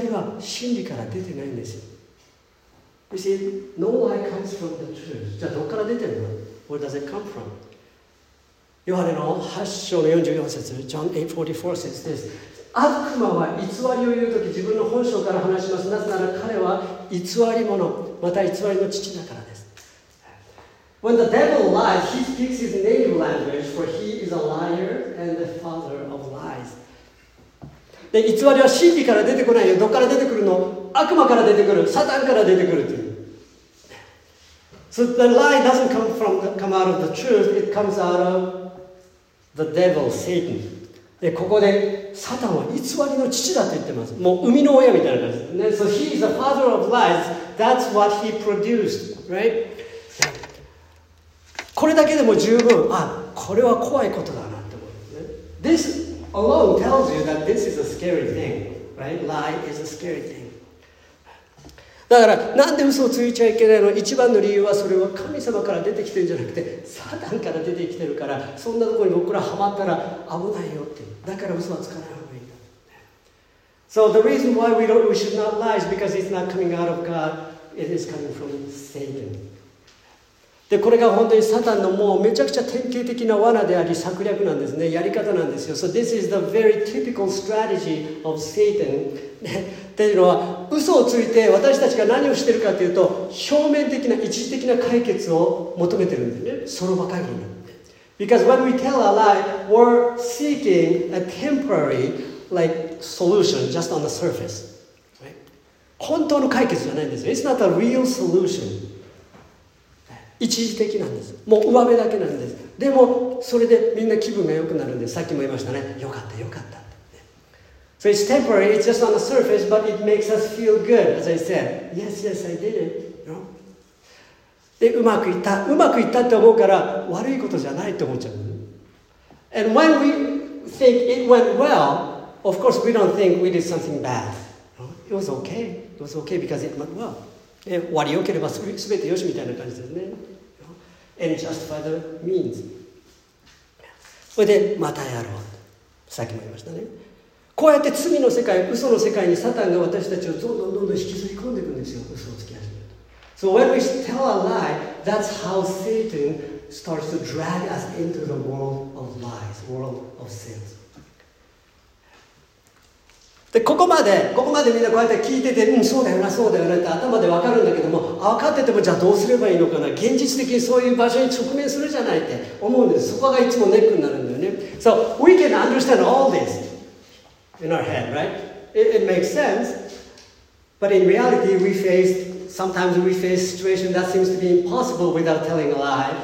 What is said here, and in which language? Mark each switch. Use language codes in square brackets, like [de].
[ja] 偽りは真理から出てないんですよ。 [en] You see, no lie comes from the truth. [ja] じゃあどこから出てるの ? [en] Where does it come from? [ja] ヨハネの8章の44節、 [en] John 8:44 says this. [ja] 悪魔は偽りを言うとき自分の本性から話します。なぜなら彼は偽り者、また偽りの父だからです。 [en] When the devil lies, he speaks his native language, for he is a liar and the father of lies. [ja] で、偽りは真理から出てこないよ。どこから出てくるの？悪魔から出てくる。サタンから出てくるっていう。 [en] So the lie doesn't come out of the truth, it comes out of the devil, Satan. [ja] で、ここで、サタンは偽りの父だと言ってます。もう生みの親みたいな感じです。 [en] So he is a father of lies, that's what he produced, right? [ja] これだけでも十分、あ、これは怖いことだなって思う、ね。 [en] This alone tells you that this is a scary thing, right? Lie is a scary thing. [ja] だから、なんで嘘をついちゃいけないの？一番の理由はそれは神様から出てきてるんじゃなくて、サタンから出てきてるから、そんなところに僕らはまったら危ないよって。だから嘘はつかない方がいいんだ。 [en] So the reason why we should not lie is because it's not coming out of God, it is coming from Satan. [ja] で、これが本当にサタンのもうめちゃくちゃ典型的な罠であり、策略なんですね。やり方なんですよ。 [en] So this is the very typical strategy of Satan. [ja] っていうのは、嘘をついて私たちが何をしてるかというと、表面的な、一時的な解決を求めてるんだよね。その場限りに。 [en] Because when we tell a lie, we're seeking a temporary, like, solution just on the surface.、Right? [ja] 本当の解決じゃないんですよ。 [en] It's not a real solution. [ja] 一時的なんです。もう上辺だけなんです。でもそれでみんな気分が良くなるんです。さっきも言いましたね。良かった良かったって、ね。 [en] So it's temporary. It's just on the surface, but it makes us feel good. As I said, yes, yes, I did it. You know? [ja] で、うまくいった。うまくいったって思うから悪いことじゃないって思っちゃう。 [en] And when we think it went well, of course we don't think we did something bad. It was okay. It was okay because it went well. [ja] 終わりよければすべてよしみたいな感じですね。 [en] And justify the means. [ja] それでまたやろう。さっきも言いましたね。こうやって罪の世界、嘘の世界にサタンが私たちをどんどんどんどん引きずり込んでいくんですよ。嘘をつき始めると。 [en] So when we tell a lie, that's how Satan starts to drag us into the world of lies, world of sins. [ja] でここまでみんなこうやって聞いてて、うん、そうだよな、そうだよなって頭で分かるんだけども、分かってても、じゃあどうすればいいのかな、現実的にそういう場所に直面するじゃないって思うんです。そこがいつもネックになるんだよね。 [en] So, we can understand all this in our head, right? It makes sense. But in reality, sometimes we face situations that seems to be impossible without telling a lie.